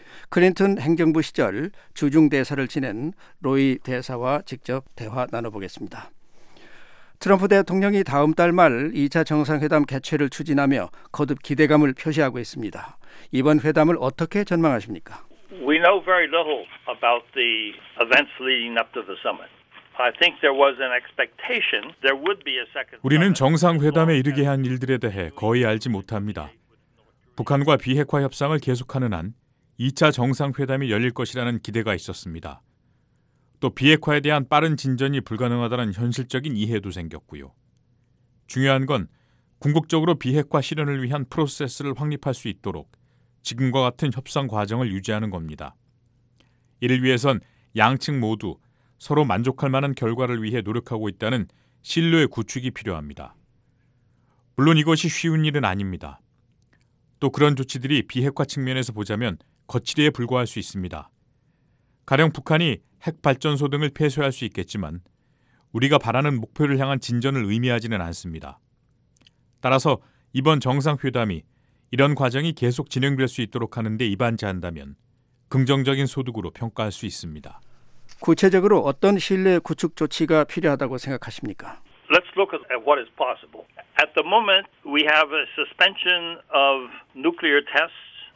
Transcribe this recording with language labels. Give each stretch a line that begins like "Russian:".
Korean: 클린턴 행정부 시절 주중대사를 지낸 로이 대사와 직접 대화 나눠보겠습니다. 트럼프 대통령이 다음 달 말 2차 정상회담 개최를 추진하며 거듭 기대감을 표시하고 있습니다. 이번 회담을 어떻게 전망하십니까?
English: We know very little about the events leading up to the summit. I think there was an expectation there would be a second.
Korean: 우리는 정상회담에 이르게 한 일들에 대해 거의 알지 못합니다. 북한과 비핵화 협상을 계속하는 한 2차 정상회담이 열릴 것이라는 기대가 있었습니다. 또 비핵화에 대한 빠른 진전이 불가능하다는 현실적인 이해도 생겼고요. 중요한 건 궁극적으로 비핵화 실현을 위한 프로세스를 확립할 수 있도록 지금과 같은 협상 과정을 유지하는 겁니다. 이를 위해선 양측 모두 서로 만족할 만한 결과를 위해 노력하고 있다는 신뢰의 구축이 필요합니다. 물론 이것이 쉬운 일은 아닙니다. 또 그런 조치들이 비핵화 측면에서 보자면 거칠이에 불과할 수 있습니다. 가령 북한이 핵발전소 등을 폐쇄할 수 있겠지만 우리가 바라는 목표를 향한 진전을 의미하지는 않습니다. 따라서 이번 정상회담이 이런 과정이 계속 진행될 수 있도록 하는 데 이반지한다면 긍정적인 소득으로 평가할 수 있습니다. 구체적으로 어떤 신뢰 구축 조치가 필요하다고 생각하십니까?
English: Let's look at what is possible. At the moment, we have a suspension of nuclear tests.